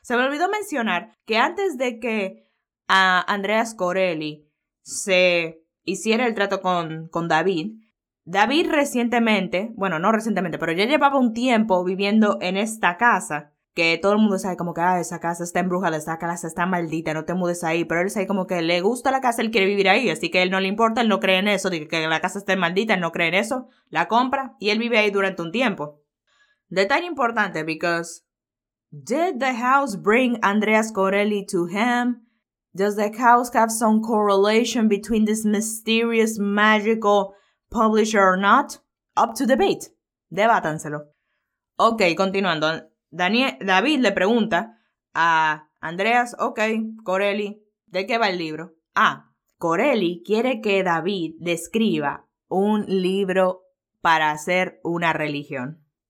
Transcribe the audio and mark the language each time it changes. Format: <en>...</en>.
<es>Se me olvidó mencionar que antes de que a Andrea Scorelli se hiciera el trato con David, David recientemente, bueno, no recientemente, pero ya llevaba un tiempo viviendo en esta casa. Que todo el mundo sabe como que, ah, esa casa está embrujada, esa casa está maldita, no te mudes ahí. Pero él sabe como que le gusta la casa, él quiere vivir ahí, así que a él no le importa, él no cree en eso. Dice que la casa esté maldita, él no cree en eso. La compra y él vive ahí durante un tiempo. Detalle importante,</es> <en>because did the house bring Andrea Scorelli to him? Does the house have some correlation between this mysterious, magical publisher or not? Up to debate.</en> <es>Debátanselo. Ok, continuando. David le pregunta a Andreas, ok, Corelli, ¿de qué va el libro? Ah, Corelli quiere que David describa un libro para hacer una religión.</es>